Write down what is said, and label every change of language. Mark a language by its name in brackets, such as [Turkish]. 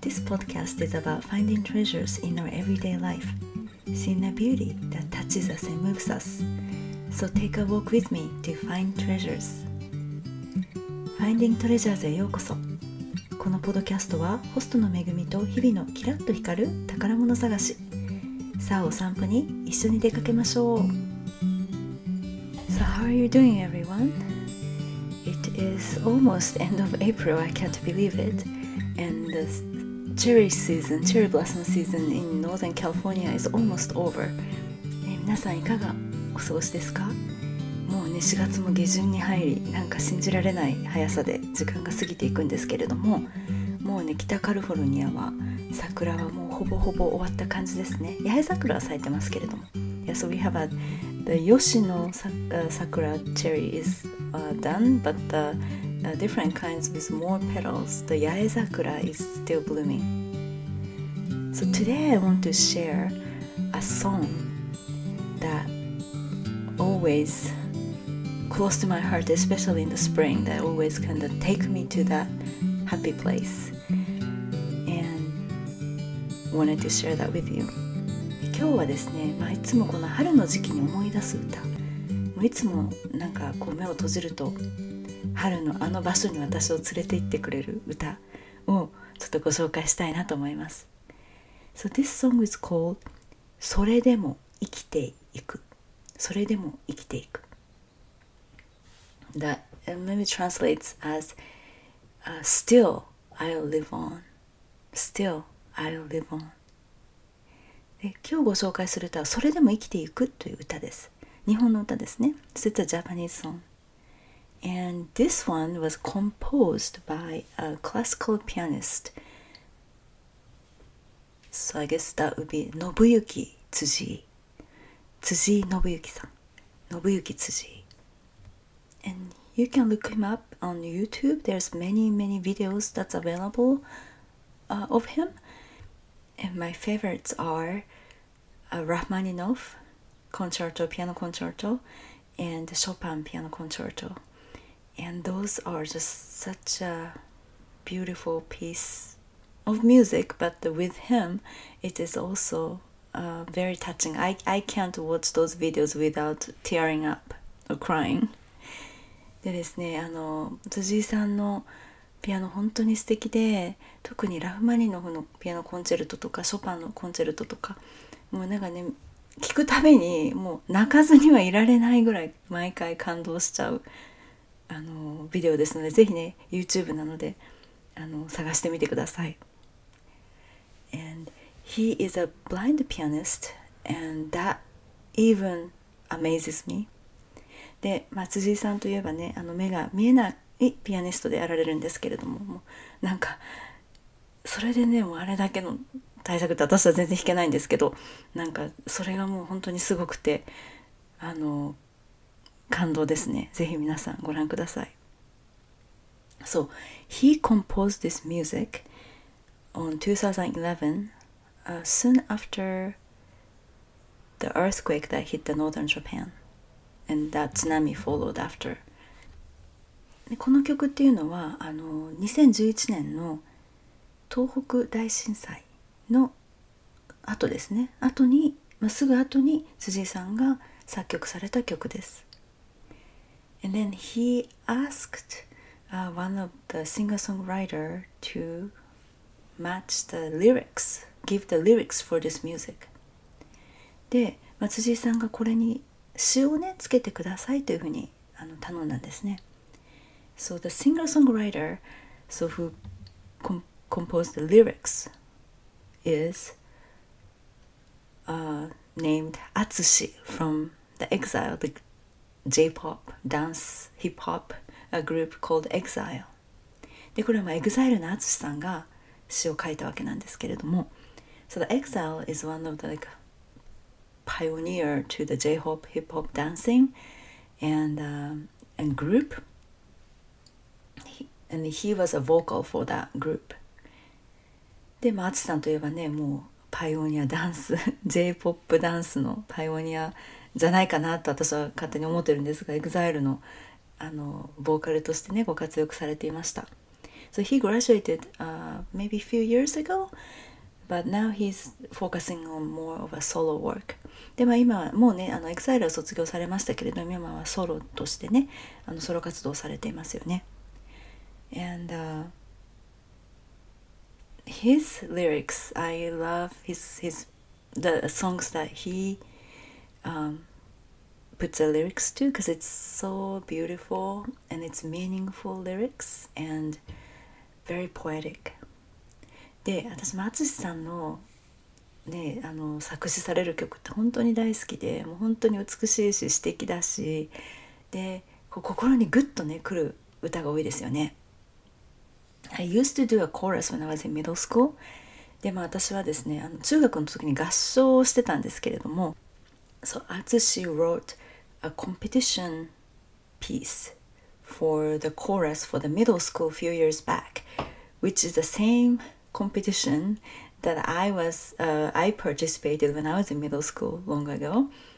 [English] This podcast is about finding treasures in our everyday life, seeing a beauty that touches us and moves us. So take a walk with me to find treasures. [Japanese] Finding treasures へようこそ。このポッドキャストはホストの Megumi と日々のキラッと光る宝物探し。さあお散歩に一緒に出かけましょう。 [English] So how are you doing, everyone? It's almost end of April, I can't believe it. And the cherry season, cherry blossom season in Northern California is almost over. [Japanese] 皆さんいかがお過ごしですか？もうね、4月も下旬に入り、なんか信じられない速さで時間が過ぎていくんですけれども、もうね、北カリフォルニアは桜はもうほぼほぼ終わった感じですね。八重桜は咲いてますけれども。 [English] Yeah, so we have the Yoshino Sakura cherry isdone, but the different kinds with more petals, the yaezakura is still blooming. So today I want to share a song that always close to my heart, especially in the spring, that always kind of take me to that happy place. And wanted to share that with you. [Japanese] 今日はですね、まあ、いつもこの春の時期に思い出す歌。いつもなんかこう目を閉じると春のあの場所に私を連れて行ってくれる歌をちょっとご紹介したいなと思います。 [English] So this song is called それでも生きていく。 [Japanese] それでも生きていく。 [English] That maybe translates as still I'll live on. Still I'll live on. [Japanese] で今日ご紹介する歌はそれでも生きていくという歌です。日本の歌ですね。 [English] So it's a Japanese song. And this one was composed by a classical pianist. So I guess that would be Nobuyuki Tsujii. Tsujii Nobuyuki-san. Nobuyuki Tsujii. And you can look him up on YouTube. There's many, many videos that's available of him. And my favorites are Rachmaninoff. Concerto, piano concerto, and Chopin piano concerto. And those are just such a beautiful piece of music, but with him, it is also very touching. I can't watch those videos without tearing up or crying. [Japanese] でですね、あの、辻井さんのピアノ本当に素敵で、特にラフマニノフのピアノコンチェルトとか、ショパンのコンチェルトとか、もうなんかね、聞くたびにもう泣かずにはいられないぐらい毎回感動しちゃうあのビデオですのでぜひね YouTube なのであの探してみてください。 [English] And he is a blind pianist and that even amazes me. [Japanese] で、まあ、辻井さんといえばねあの目が見えないピアニストであられるんですけれど もうなんかそれでねもうあれだけの対策って私は全然弾けないんですけど、なんかそれがもう本当にすごくて、あの感動ですね。ぜひ皆さんご覧ください。 [English] So, he composed this music on 2011, soon after the earthquake that hit the northern Japan, and that tsunami followed after. [Japanese] でこの曲っていうのは、あの2011年の東北大震災。の後ですね。後に、まあ、すぐ後に辻井さんが作曲された曲です。 [English] And then he asked one of the singer-songwriter to match the lyrics, give the lyrics for this music. [Japanese] で、まあ、辻井さんがこれに詩をねつけてくださいというふうにあの頼んだんですね。 [English] So the singer-songwriter, so who composed the lyrics. Is named Atsushi from the EXILE, the J-pop dance hip-hop group called EXILE. [Japanese] で、これは EXILE の Atsushi さんが詩を書いたわけなんですけれども、 [English] So the EXILE is one of the like, pioneer to the J-pop hip-hop dancing and group. He was a vocal for that group. [Japanese] でも、まあ、アツさんといえばね、もうパイオニアダンス、J-POP ダンスのパイオニアじゃないかなと私は勝手に思ってるんですが、EXILE のボーカルとしてね、ご活躍されていました。 [English] So he graduated maybe a few years ago, but now he's focusing on more of a solo work. [Japanese] で、まあ、今はもうね、EXILE を卒業されましたけれども、今はソロとしてね、ソロ活動されていますよね。 [English] And his lyrics, I love his the songs that he puts the lyrics to, because it's so beautiful and it's meaningful lyrics and very poetic. [Japanese] で、私も淳さんのね、作詞される曲って本当に大好きで、もう本当に美しいし素敵だし、で、こう心にグッとね、来る歌が多いですよね。 [English] I used to do a chorus when I was in middle school. [Japanese] で、まあ私はですね、中学の時に合唱をしてたんですけれども、 [English] So, Atsushi wrote a competition piece for the chorus for the middle school a few years back, which is the same competition that I participated when I was in middle school long ago.